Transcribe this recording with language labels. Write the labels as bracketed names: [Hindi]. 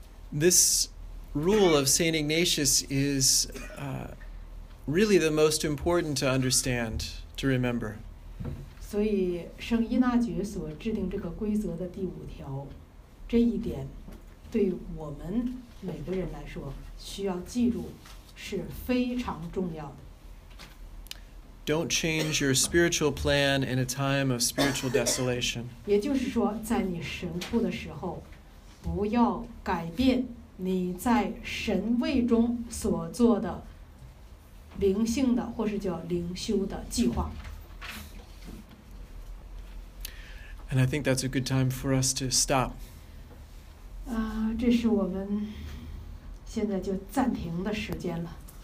[English] This rule of Saint Ignatius is really the most important to understand to remember. [Chinese] 所以圣依纳爵所制定这个规则的第五条，这一点对我们每个人来说需要记住是非常重要的。 [English] Don't change your spiritual plan in a time of spiritual desolation. [Chinese] 也就是说，在你神库的时候，不要改变你在神位中所做的灵性的或是叫灵修的计划。 [English] And I think that's a good time for us to stop. [Chinese] 这是我们现在就暂停的时间了。